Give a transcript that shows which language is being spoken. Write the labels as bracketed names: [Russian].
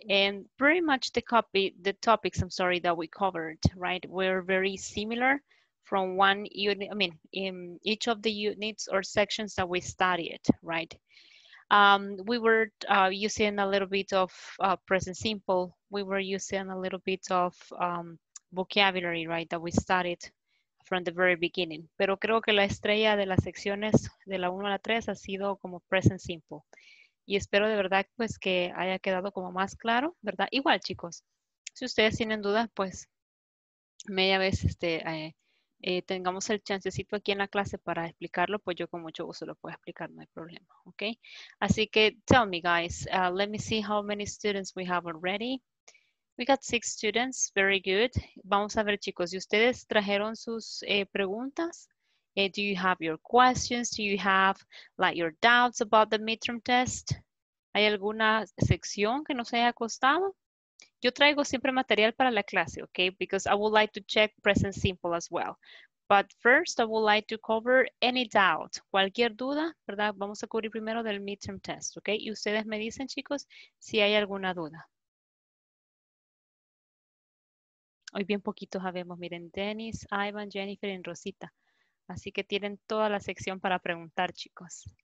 [English] And pretty much the topics that we covered, right, were very similar from one unit, I mean, in each of the units or sections that we studied, right? We were using a little bit of present simple. We were using a little bit of vocabulary, right, that we studied from the very beginning. [Spanish] Pero creo que la estrella de las secciones de la 1 a la 3 ha sido como present simple. Y espero de verdad pues que haya quedado como más claro, ¿verdad? Igual, chicos, si ustedes tienen dudas, pues media vez tengamos el chancecito aquí en la clase para explicarlo, pues yo con mucho gusto lo puedo explicar, no hay problema, ¿ok? Así que [English] tell me, guys, let me see how many students we have already. We got 6 students, very good. [Spanish] Vamos a ver, chicos, si ustedes trajeron sus preguntas. [English] Do you have your questions? Do you have like your doubts about the midterm test? [Spanish] ¿Hay alguna sección que no se haya costado? Yo traigo siempre material para la clase, okay? [English] Because I would like to check present simple as well. But first, I would like to cover any doubt. [Spanish] Cualquier duda, ¿verdad? Vamos a cubrir primero del midterm test, okay? Y ustedes me dicen, chicos, si hay alguna duda. Hoy bien poquitos habemos. Miren, Dennis, Ivan, Jennifer y Rosita. Así que tienen toda la sección para preguntar, chicos.